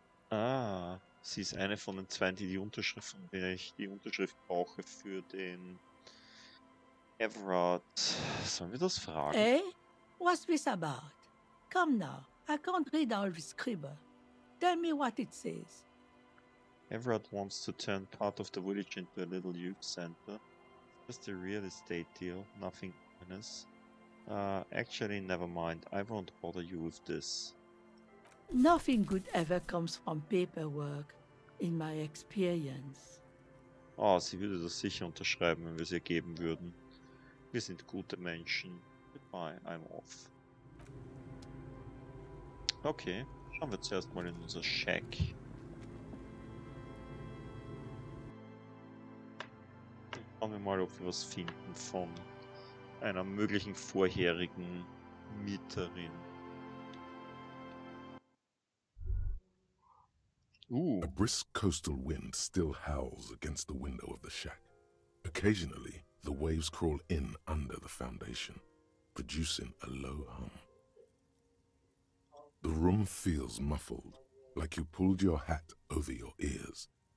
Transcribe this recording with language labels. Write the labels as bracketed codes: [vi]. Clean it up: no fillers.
[de] Ah, sie ist eine von den 20, die Unterschrift, von der ich die Unterschrift brauche für den Everard. Sollen wir das fragen? [en] Hey, what's this about? Come now, I can't read all this scribble. Tell me what it says. Everard wants to turn part of the village into a little youth center. Just a real estate deal, nothing ominous. Actually, never mind, I won't bother you with this. Nothing good ever comes from paperwork, in my experience. [de] Oh, sie würde das sicher unterschreiben, wenn wir es ihr geben würden. Wir sind gute Menschen. [en] Goodbye, I'm off. [de] Okay, schauen wir zuerst mal in unser Shack. Schauen wir mal, ob wir was finden von einer möglichen vorherigen Mieterin. [en] A brisk coastal wind still howls against the window of the shack. Occasionally, the waves crawl in under the foundation, producing a low hum. The room feels muffled, like you pulled your hat over your ears.